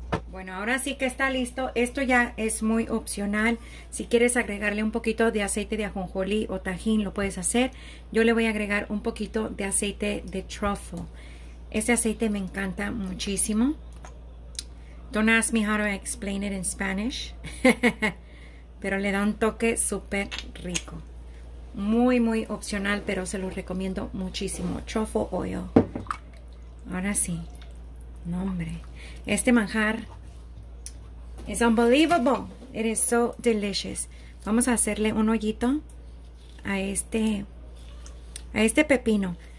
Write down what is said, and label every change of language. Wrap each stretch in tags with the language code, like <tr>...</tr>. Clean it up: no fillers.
<es>Bueno, ahora sí que está listo. Esto ya es muy opcional. Si quieres agregarle un poquito de aceite de ajonjolí o tajín, lo puedes hacer. Yo le voy a agregar un poquito de aceite de trufa. Este aceite me encanta muchísimo.</es> <en>Don't ask me how to explain it in Spanish.</en> <es>Pero le da un toque súper rico. Muy, muy opcional, pero se lo recomiendo muchísimo. Truffle oil. Ahora sí. No, hombre. Este manjar es unbelievable.</es> <en>It is so delicious.</en> <es>Vamos a hacerle un hoyito a este pepino.</es>